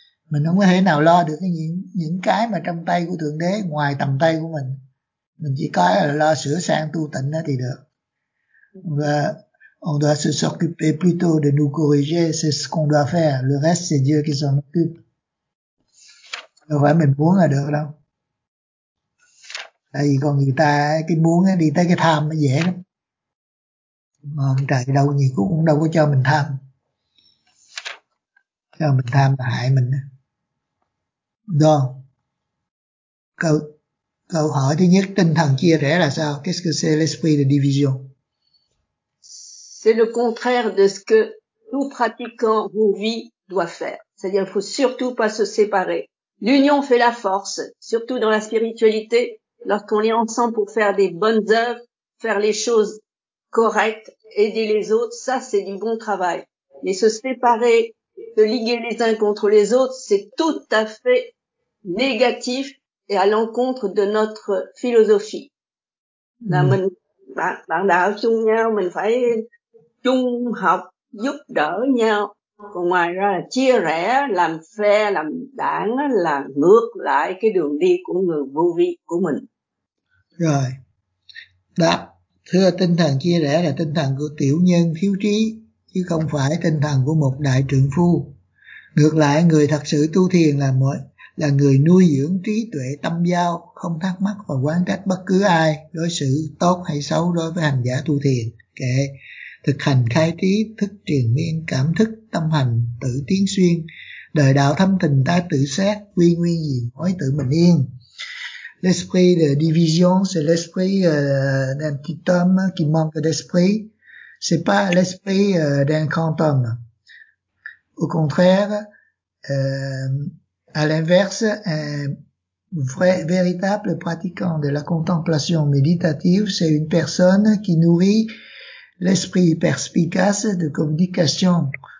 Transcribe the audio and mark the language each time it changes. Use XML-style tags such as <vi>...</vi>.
<vi>Mình không có thể nào lo được những cái mà trong tay của Thượng Đế, ngoài tầm tay của mình. Mình chỉ có là lo sửa sang tu tịnh đó thì được.</vi> <fr>Và on doit se s'occuper plutôt de nous corriger, c'est ce qu'on doit faire. Le reste, c'est Dieu qui s'en occupe.</fr> <vi>Đâu phải mình muốn là được đâu. Tại vì còn người ta cái muốn đi tới cái tham nó dễ lắm. Mà ông trời đâu nhiều cũng đâu có cho mình tham. Cho mình tham là hại mình. Đó. Câu hỏi thứ nhất, tinh thần chia rẽ là sao?</vi> <fr>Qu'est-ce que c'est l'esprit de division? C'est le contraire de ce que tout pratiquant ou vie doit faire. C'est-à-dire qu'il ne faut surtout pas se séparer. L'union fait la force, surtout dans la spiritualité, lorsqu'on est ensemble pour faire des bonnes œuvres, faire les choses correctes, aider les autres, ça c'est du bon travail. Mais se séparer, se liguer les uns contre les autres, c'est tout à fait négatif et à l'encontre de notre philosophie.</fr> <vi>Bạn đạo chung nhau, mình phải chung học, giúp đỡ nhau. Còn ngoài ra là chia rẽ, làm phe, làm đảng là ngược lại cái đường đi của người vô vi của mình. Rồi. Đáp, thưa, tinh thần chia rẽ là tinh thần của tiểu nhân thiếu trí, chứ không phải tinh thần của một đại trượng phu. Ngược lại, người thật sự tu thiền là người nuôi dưỡng trí tuệ tâm giao, không thắc mắc và quán trách bất cứ ai đối xử tốt hay xấu đối với hành giả tu thiền. Kệ, thực hành khai trí, thức triền miên, cảm thức, tâm hành, tự tiến xuyên, đời đạo thâm tình ta tự xét, quy nguyên gì mối tự mình yên.</vi> <fr>L'esprit de division, c'est l'esprit d'un petit homme qui manque d'esprit. C'est pas l'esprit d'un grand homme. Au contraire, à l'inverse, un vrai, véritable pratiquant de la contemplation méditative, c'est une personne qui nourrit l'esprit perspicace de communication.</fr>